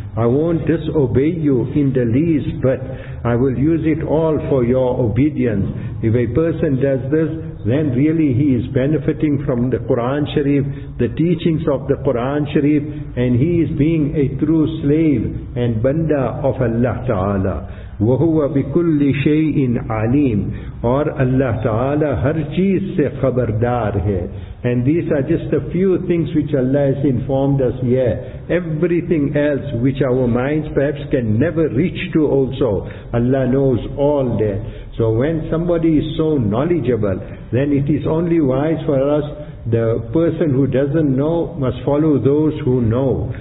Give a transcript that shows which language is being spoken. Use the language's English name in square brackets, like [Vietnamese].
[English] I won't disobey you in the least, but I will use it all for your obedience. If a person does this, then really he is benefiting from the Quran Sharif, the teachings of the Quran Sharif, and he is being a true slave and banda of Allah Ta'ala. [Arabic] وَهُوَ بِكُلِّ شَيْءٍ عَلِيمٍ [Urdu] اور اللہ تعالی ہر چیز سے خبردار ہے. [English] And these are just a few things which Allah has informed us here. Everything else which our minds perhaps can never reach to also, Allah knows all that. So when somebody is so knowledgeable, then it is only wise for us, the person who doesn't know must follow those who know.